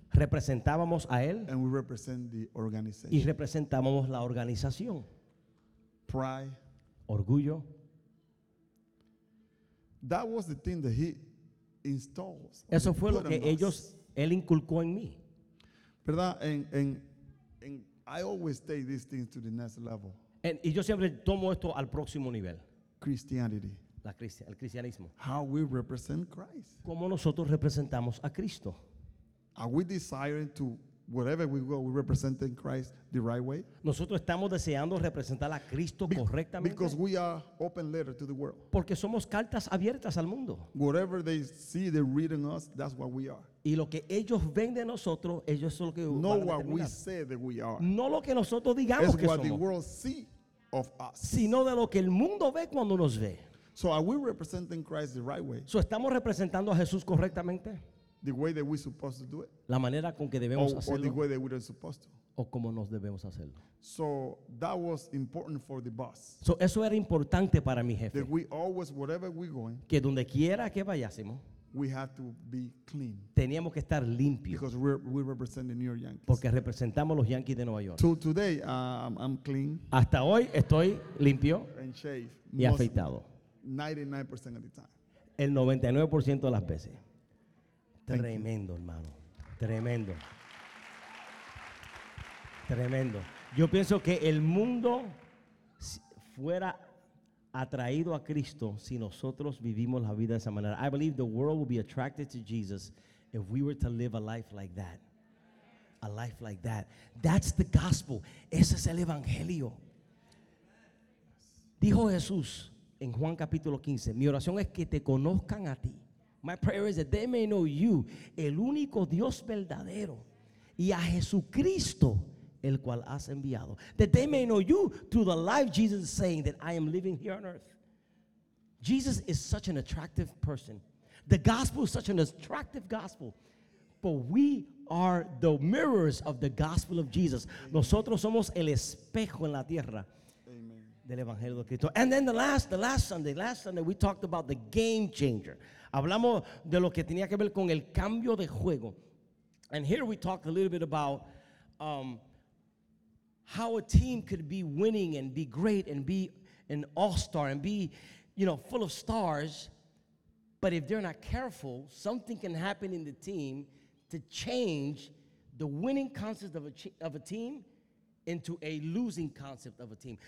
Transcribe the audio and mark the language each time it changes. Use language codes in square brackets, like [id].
[es] Representábamos a él. [en] And we represent the organization. [es] Y representábamos la organización. [en] Pride. [es] Orgullo. [en] That was the thing that he installs. [es] Eso fue lo que ellos, él inculcó en mí. ¿Verdad? [en] And I always take these things to the next level. [es] Y yo siempre tomo esto al próximo nivel. [en] Christianity. [es] El cristianismo. [en] How we represent Christ. [es] Cómo nosotros representamos a Cristo. [en] Are we desiring to, wherever we go, we represent Christ the right way? [es] Nosotros estamos deseando representar a Cristo correctamente. [en] Because we are open letter to the world. [es] Porque somos cartas abiertas al mundo. [en] Whatever they see, they read in us, that's what we are. [es] Y lo que ellos ven de nosotros, ellos son lo que [en] no what we say that we are. [es] No lo que nosotros digamos [en] it's [es] que somos. [en] It's what the world see of us. [es] Sino de lo que el mundo ve cuando nos ve. [en] So are we representing Christ the right way? [es] So estamos representando a Jesús correctamente. [en] The way that we're supposed to do it. [es] La manera con que debemos [en] or, [es] hacerlo. [en] Or the way that we're supposed to. [es] O como nos debemos hacerlo. [en] So that was important for the boss. [es] So eso era importante para mi jefe. [en] That we always, wherever we're going. [es] Que donde quiera que vayásemos. [en] We have to be clean. [es] Teníamos que estar limpios. [en] Because we represent the New York Yankees. [es] Porque representamos los Yankees de Nueva York. [en] So today I'm clean. [es] Hasta hoy estoy limpio. [en] And shaved. [es] Y afeitado. [en] 99% of the time. [es] El 99% de las veces. Tremendo, hermano. Tremendo. Tremendo. Yo pienso que el mundo fuera atraído a Cristo si nosotros vivimos la vida de esa manera. [en] I believe the world will be attracted to Jesus if we were to live a life like that. A life like that. That's the gospel. [es] Ese es el evangelio. Dijo Jesús en Juan capítulo 15, mi oración es que te conozcan a ti. [en] My prayer is that they may know you, [es] el único Dios verdadero, y a Jesucristo, el cual has enviado. [en] That they may know you through the life Jesus is saying that I am living here on earth. Jesus is such an attractive person. The gospel is such an attractive gospel. For we are the mirrors of the gospel of Jesus. [es] Nosotros somos el espejo en la tierra del Evangelio de Cristo. [en] And then the last Sunday, we talked about the game changer. [es] Hablamos de lo que tenía que ver con el cambio de juego. [en] And here we talked a little bit about how a team could be winning and be great and be an all-star and be, you know, full of stars. But if they're not careful, something can happen in the team to change the winning concept of a team into a losing concept of a team.